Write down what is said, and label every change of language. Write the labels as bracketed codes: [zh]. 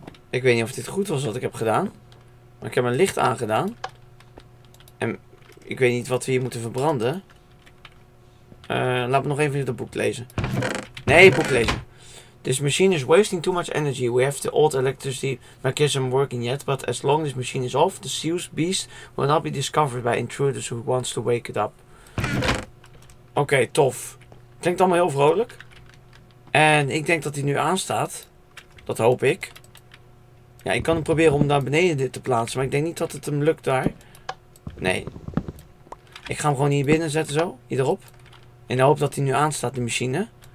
[nl] Ik weet niet of dit goed was wat ik heb gedaan. Maar ik heb een licht aangedaan. En ik weet niet wat we hier moeten verbranden. Laat me nog even dit boek lezen. Nee, boek lezen. [en] This machine is wasting too much energy. We have the old electricity mechanism working yet. But as long as this machine is off, the seal's beast will not be discovered by intruders who wants to wake it up. [nl] Oké, okay, tof. Klinkt allemaal heel vrolijk. En ik denk dat hij nu aanstaat. Dat hoop ik. Ja, ik kan hem proberen om daar beneden dit te plaatsen. Maar ik denk niet dat het hem lukt daar. Nee. Ik ga hem gewoon hier binnen zetten zo. Hierop. In de hoop dat hij nu aanstaat, de machine.